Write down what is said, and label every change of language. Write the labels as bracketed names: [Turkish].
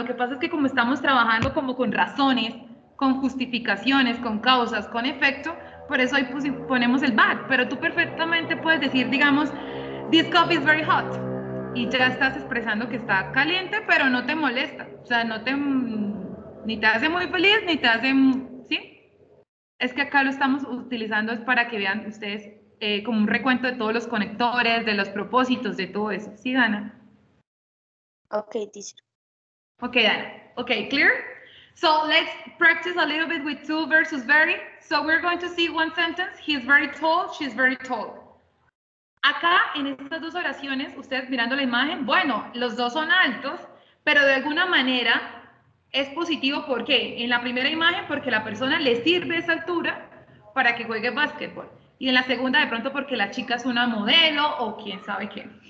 [Spanish] Lo que pasa es que como estamos trabajando como con razones, con justificaciones, con causas, con efecto, por eso ahí ponemos el but, pero tú perfectamente puedes decir, digamos, [English] this coffee is very hot, [Spanish] y ya estás expresando que está caliente, pero no te molesta, o sea, ni te hace muy feliz, ni te hace, ¿sí? Es que acá lo estamos utilizando es para que vean ustedes como un recuento de todos los conectores, de los propósitos, de todo eso, ¿sí, Dana? [English] Ok, teacher. Ok, Dana. Ok, clear? So let's practice a little bit with two versus very. So we're going to see one sentence. He's very tall, she's very tall. [Spanish] Acá, en estas dos oraciones, ustedes mirando la imagen, bueno, los dos son altos, pero de alguna manera es positivo. ¿Por qué? En la primera imagen, porque la persona le sirve esa altura para que juegue básquetbol. Y en la segunda, de pronto, porque la chica es una modelo o quién sabe qué.